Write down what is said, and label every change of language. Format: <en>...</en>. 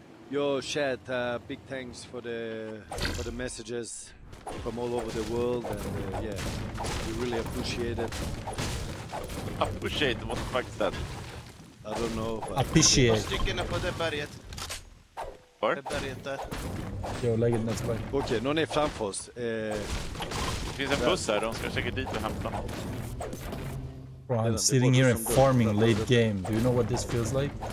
<en>Yo, chat, big thanks for the messages from all over the world. And yeah, we really appreciate it. Appreciate? What the fuck is that? I don't know. Appreciate.</en> <sv>Vad stycken är på det berget? Var? Det berget där. Jo, lägg ett nästa berg. Okej, någon är framför oss. Det finns en buss här, de ska säkert dit och hämta något.</sv> <en>Bro, I'm sitting here and farming late game. Do you know what this feels like?</en>